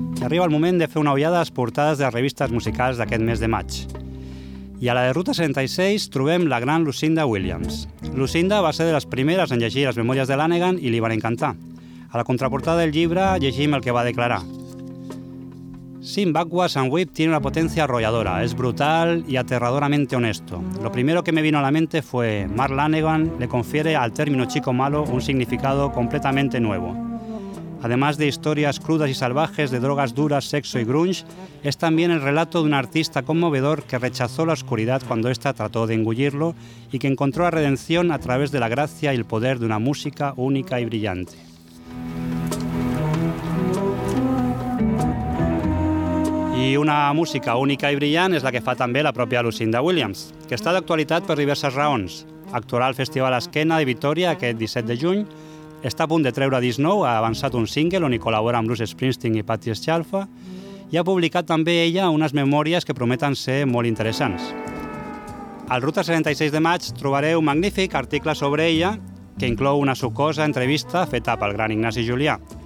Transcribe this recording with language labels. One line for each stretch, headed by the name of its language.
Catalan: Arriba el moment de fer una ullada a les portades de revistes musicals d'aquest mes de maig. I a la de Ruta 76 trobem la gran Lucinda Williams. Lucinda va ser de les primeres en llegir les memòries de Lanegan i li van encantar. A la contraportada del llibre llegim el que va declarar.
Spanish: Sin backwards and whip tiene una potencia arrolladora, es brutal y aterradoramente honesto. Lo primero que me vino a la mente fue Mark Lanegan le confiere al término chico malo un significado completamente nuevo. Además de historias crudas y salvajes de drogas duras, sexo y grunge, es también el relato de un artista conmovedor que rechazó la oscuridad cuando ésta trató de engullirlo y que encontró la redención a través de la gracia y el poder de una música única y brillante. Y una música única y brillante es la que fa también la propia Lucinda Williams, que está de actualidad por diversas raons.
Catalan: Actuarà al Festival Esquena de Vitoria aquest 17 de juny, està a punt de treure disc nou, ha avançat un single on hi col·labora amb Bruce Springsteen i Patti Schalfa i ha publicat també ella unes memòries que prometen ser molt interessants. Al Ruta 76 de maig trobareu un magnífic article sobre ella que inclou una sucosa entrevista feta pel gran Ignasi Julià.